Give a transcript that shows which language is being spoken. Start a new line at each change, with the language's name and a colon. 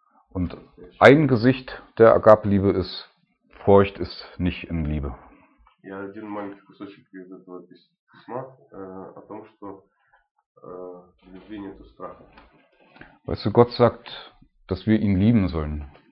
German: Und ein Gesicht der Agape-Liebe ist, Furcht ist nicht in Liebe.
Russian: Я один маленький кусочек из этого письма о том, что любви нет страха.
German: Weißt du, Gott sagt, dass wir ihn lieben sollen.